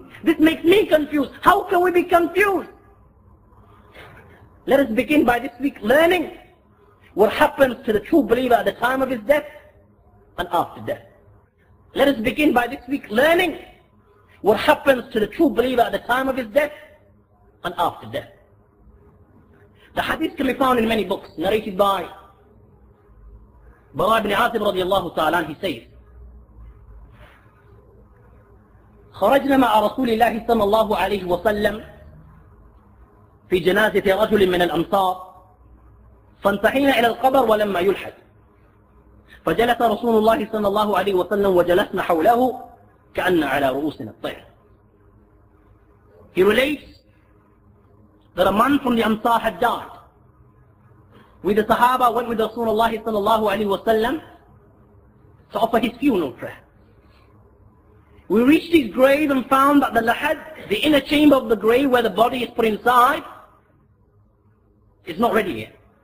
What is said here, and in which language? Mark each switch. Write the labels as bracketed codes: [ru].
[en] This makes me confused. How can we be confused? Let us begin by this week learning what happens to the true believer at the time of his death and after death. Let us begin by this week learning what happens to the true believer at the time of his death and after death. The hadith can be found in many books narrated by Bara ibn Atib radiallahu ta'ala. He says, [ar] خرجنا مع رسول الله صلى الله عليه وسلم في جنازة رجل من الأمصار فانتحينا إلى القبر ولما يلحد فجلس رسول الله صلى الله عليه وسلم وجلسنا حوله كأن على رؤوسنا الطير. [en] He relates that a man from the Amsar had died. With the Sahaba went with Rasulullah [ar] صلى الله عليه وسلم [en] to offer his funeral prayer. We reached his grave and found that the lahad, the inner chamber of the grave where the body is put inside, is not ready yet.